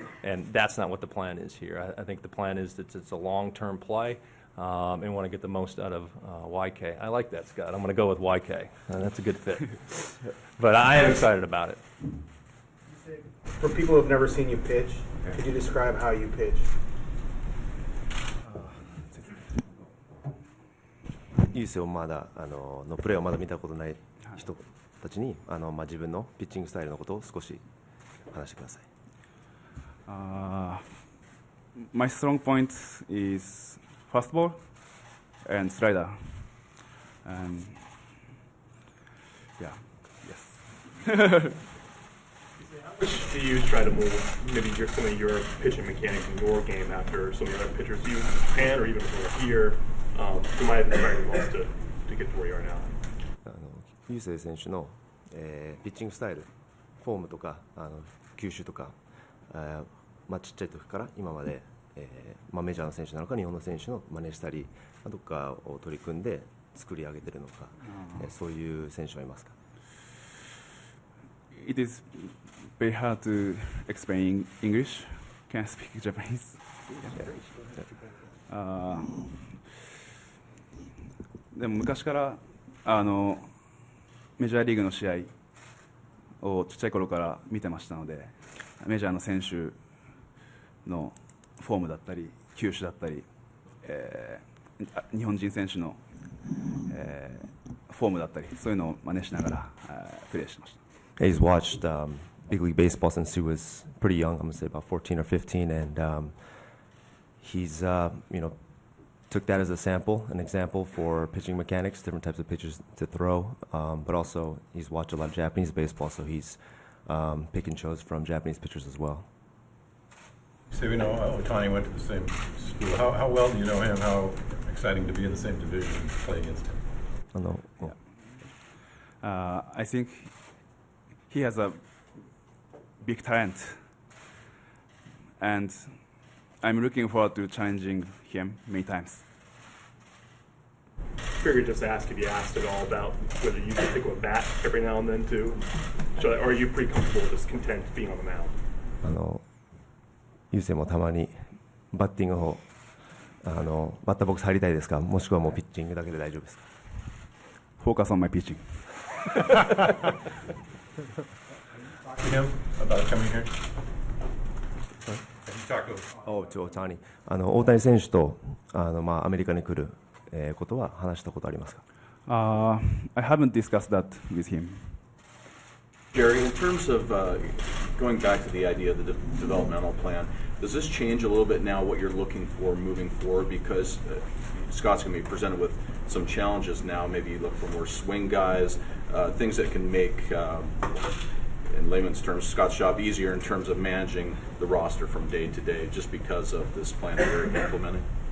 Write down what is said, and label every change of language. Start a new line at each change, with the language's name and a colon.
English: And that's not what the plan is here. I think the plan is that it's a long-term play, and want to get the most out of YK. I like that, Scott. I'm going to go with YK. That's a good fit. But I am excited about it. For people who have never seen you pitch, could you describe how you pitch?
Japanese: Yusei のプレーをまだ見たことない人たちに自分のピッチングスタイルのことを少し話してください。
English: My strong point is fastball and slider. Yes. How much do you try to move maybe some of your pitching mechanics in your game after some of the other pitchers you can, or even from here, who might have been very close to get to where you are now?
Japanese: Yusei 選手の、ピッチングスタイル、フォームとか球種とか、ちっちゃい時から今まで、メジャーの選手なのか日本の選手の真似したりどこかを取り組んで作り上げているのか、そういう選手はいますか？
English: It is very hard to explain in English. Can I speak Japanese? Yeah.
Japanese: でも昔からメジャーリーグの試合を小さい頃から見てましたので、メジャーの選手のフォームだったり球種だったり、日本人選手の、フォームだったり、そういうのを真似しながら、プレーしてました。
English: He's watched Big League Baseball since he was pretty young, I'm going to say about 14 or 15, and he's, you know, took that as a sample, an example for pitching mechanics, different types of pitches to throw, but also he's watched a lot of Japanese baseball, so he's picking shows from Japanese pitchers as well. So we know Ohtani went to the same school. How well do you know him? How exciting to be in the same division and play against him? Hello. I think he has a big talent, and I'm looking forward to challenging him many times. I figured just ask if you asked at all about whether you could pick up a bat every now and then too. Should I, or are you pretty comfortable just content being on the mound?
Japanese: ユセもたまにバッティングをバッターボックス入りたいですか、もしくはもうピッチングだけで大丈夫ですか。
English: Focus on my pitching.
Japanese: 大谷選手と アメリカに来る、ことは話したことありますか。
English: I haven't discussed that with him. Jerry, in terms of going back to the idea of the developmental plan, does this change a little bit now what you're looking for moving forward? Because Scott's going to be presented with some challenges now. Maybe you look for more swing guys, things that can make, in layman's terms, Scott's job easier in terms of managing the roster from day to day, just because of this plan that we're implementing.